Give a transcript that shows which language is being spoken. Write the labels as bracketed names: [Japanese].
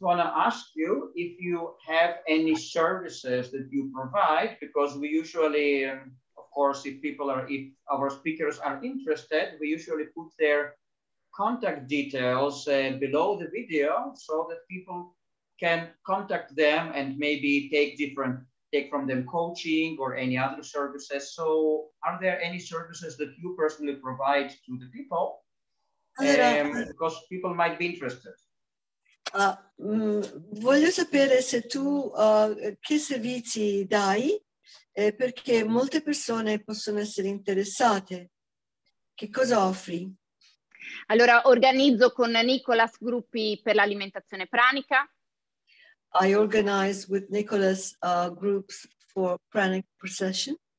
[English] want to ask you if you have any services that you provide, because we usually, of course, if our speakers are interested, we usually put their contact details below the video so that people can contact them and maybe take from them coaching or any other services. So are there any services that you personally provide to the people? Because people might be interested. [Italian] Voglio sapere se tu che servizi dai, perché molte persone possono essere interessate. Che cosa offri? Allora, organizzo con Nicolas gruppi per l'alimentazione pranica. [English] I organize with Nicolas groups for pranic procession.